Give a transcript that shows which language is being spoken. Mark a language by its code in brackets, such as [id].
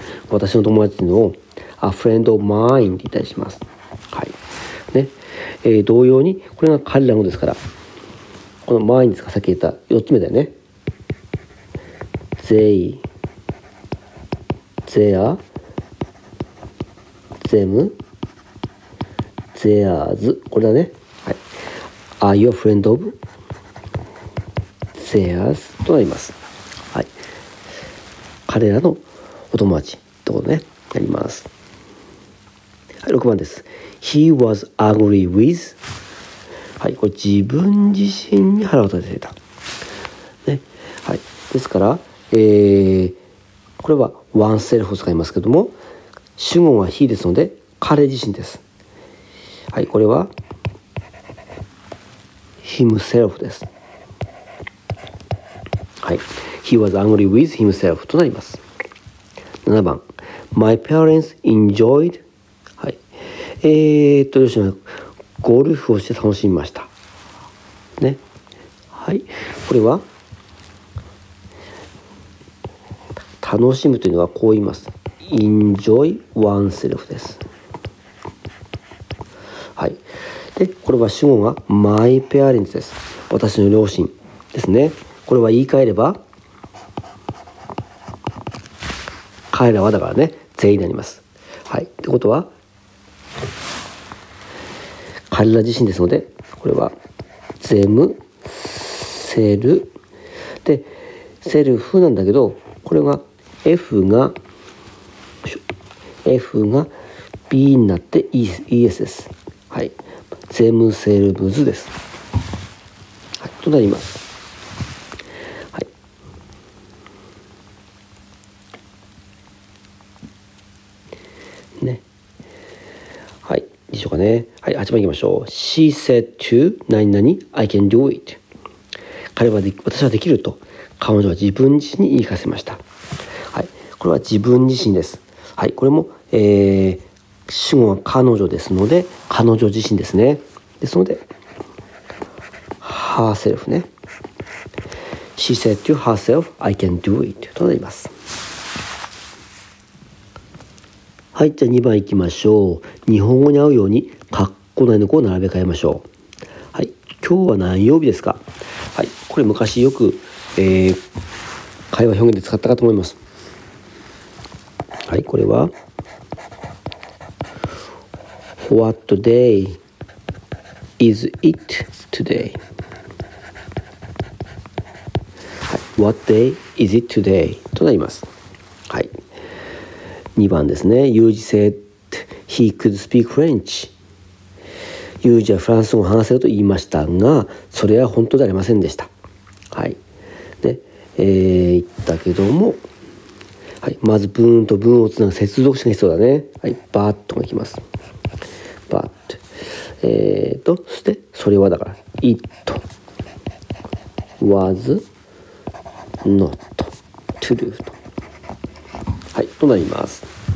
[ja] 私の友達のを [en] a friend of mine [ja] って言ったりします。はい、ね、同様にこれが彼らのですから、この mine ですか、さっき言った4つ目だよね。 [en] they、They are、 them、 theirs、 [ja] これだね。 [en] はい、 Are you a friend of theirs [ja] となります。はい、彼らのお友達ってことね、なります。はい、6番です。 [en] He was angry with。 [ja] はい、これ自分自身に腹を立てたね。はい、ですから、これはワンセルフを使いますけども、主語は he ですので彼自身です。はい、これは himself です。 [en] はい、 he was angry with himself [ja] となります。 7番。 [en] My parents enjoyed、 [ja] はい、両親はゴルフをして楽しみましたね。はい、これは楽しむというのはこう言います。 [en] Enjoy oneself です。 [ja] はい。で、これは主語が My parents です。私の両親。ですね。これは言い換えれば彼らはだからね全員になります。はい、ってことは彼ら自身ですので、これはゼム、セルで、セルフなんだけど、これが F が F が B になって ES です。はい、ゼム、セルブズです、はい、となります。はい、ね、はい、でしょうかね。はい、8番いきましょう。 [en] She said to [ja] 何々 [en] I can do it。 [ja] 彼はで、私はできると彼女は自分自身に言い聞かせました。はい、これは自分自身です。はい、これも、主語は彼女ですので彼女自身ですね。ですので [en] herself ね、 She said to herself I can do it [ja] となります。はい、じゃあ2番いきましょう。日本語に合うように括弧内の語を並べ替えましょう。はい、今日は何曜日ですか。はい、これ昔よく、会話表現で使ったかと思います。 [en] はい、これは What day is it today? What day is it today? [ja] となります。 [en] はい、2番ですね。ユージ [ja] said he could speak French。ユージはフランス語を話せると言いましたが、それは本当ではありませんでした。はい、で、言ったけども、はい、まず文と文をつなぐ接続詞が必要だね。はい、バーッといきます。バーッと、そしてそれはだから [en] It was not true [ja] と、はい、となります。